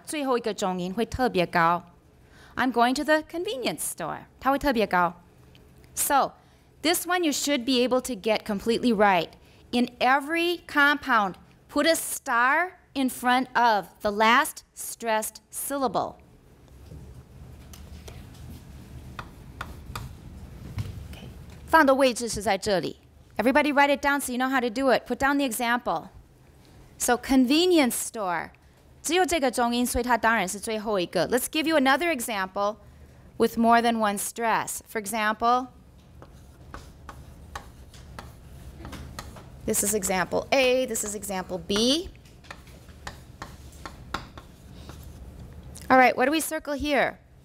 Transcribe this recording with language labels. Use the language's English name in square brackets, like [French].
[Chinese] 一段话的最后一个重音会特别高. [English] I'm going to the convenience store. [Chinese] 它会特别高. [English] So, this one you should be able to get completely right. In every compound, put a star in front of the last stressed syllable. Everybody write it down so you know how to do it. Put down the example. So convenience store. [Chinese] 只有这个重音,所以它当然是最后一个. [English] Let's give you another example with more than one stress. For example, this is example A, this is example B. All right, what do we circle here?